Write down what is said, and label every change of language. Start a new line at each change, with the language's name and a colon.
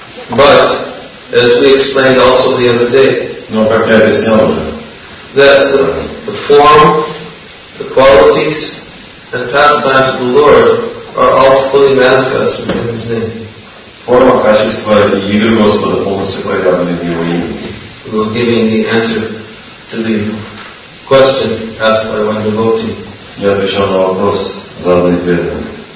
English: But as we explained also the other day,
Russian: но как я объяснял уже,
English: that the form, the qualities, and pastimes of the Lord are all fully manifest in His name.
Russian: Форма, качество и игры Господа полностью проявлены в Его имени.
English: We're giving the answer to the question asked by one devotee.
Russian: Я отвечал на вопрос, заданный перед ним.